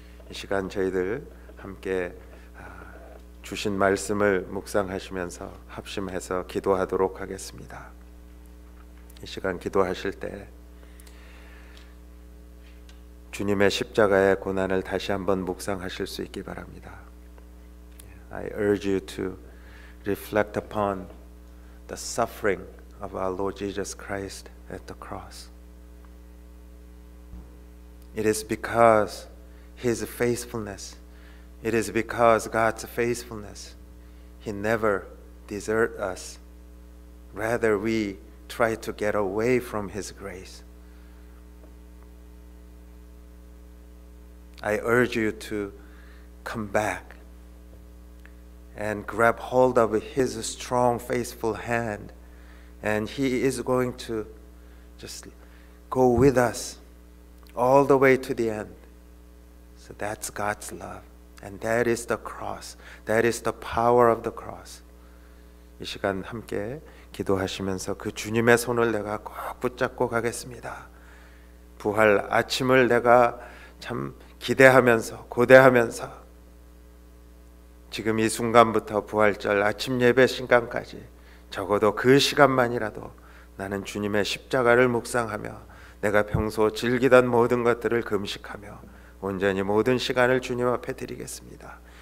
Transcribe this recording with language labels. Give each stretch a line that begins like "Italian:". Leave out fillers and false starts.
Korean: 이 시간 저희들 함께 주신 말씀을 묵상하시면서 합심해서 기도하도록 하겠습니다. 이 시간 기도하실 때 주님의 십자가의 고난을 다시 한번 묵상하실 수 있기 바랍니다.
English: I urge you to reflect upon the suffering of our Lord Jesus Christ at the cross. It is because his faithfulness, it is because God's faithfulness, he never desert us. Rather, we try to get away from his grace. I urge you to come back and grab hold of his strong, faithful hand, and he is going to just go with us all the way to the end. So that's God's love, and that is the cross. That is the power of the cross.
Korean: 이 시간 함께 기도하시면서 그 주님의 손을 내가 꼭 붙잡고 가겠습니다. 부활 아침을 내가 참 기대하면서 고대하면서 지금 이 순간부터 부활절 아침 예배 시간까지 적어도 그 시간만이라도 나는 주님의 십자가를 묵상하며 내가 평소 즐기던 모든 것들을 금식하며 온전히 모든 시간을 주님 앞에 드리겠습니다.